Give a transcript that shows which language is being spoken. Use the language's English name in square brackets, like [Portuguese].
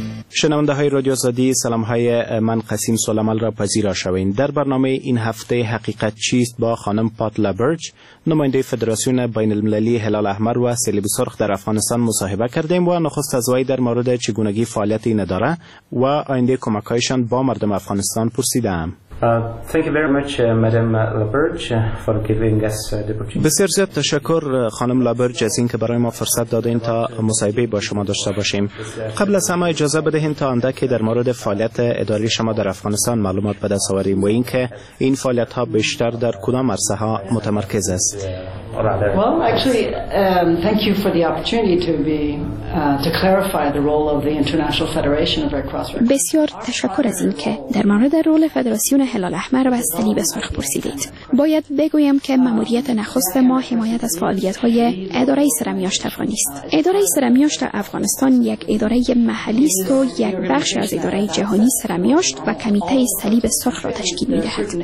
[Persian] شنونده های رادیو آزادی، سلام های من قسیم سلمال را پذیرا شوین. در برنامه این هفته حقیقت چیست با خانم پات لبرج، نماینده فدراسیون بین المللی هلال احمر و صلیب سرخ در افغانستان مصاحبه کردیم و نخست از وی در مورد چگونگی فعالیت این اداره و آینده کمک‌هایشان با مردم افغانستان پرسیدم. [English] Thank you very much, Madam LaBerge, for giving us the opportunity. [Persian] بسیار زیاد تشکر خانم لبرج از این که برای ما فرصت دادین تا مصاحبه با شما داشته باشیم. قبل از همه اجازه بدهین تا اندکی در مورد فعالیت اداری شما در افغانستان معلومات بدست آوریم و این که این فعالیت ها بیشتر در کدام عرصه ها متمرکز است. [English] Well, actually, thank you for the opportunity to clarify the role of the International Federation of Red Cross. [Persian] بسیار تشکر از این که در مورد رول فدراسیون هلال احمر و صلیب سرخ پرسیدید. باید بگویم که ماموریت نخست ما حمایت از فعالیت‌های اداره سرمیاشت افغانیست. اداره سرمیاشت افغانستان یک اداره محلی است و یک بخش از اداره جهانی سرمیاشت و کمیته صلیب سرخ را تشکیل می‌دهد.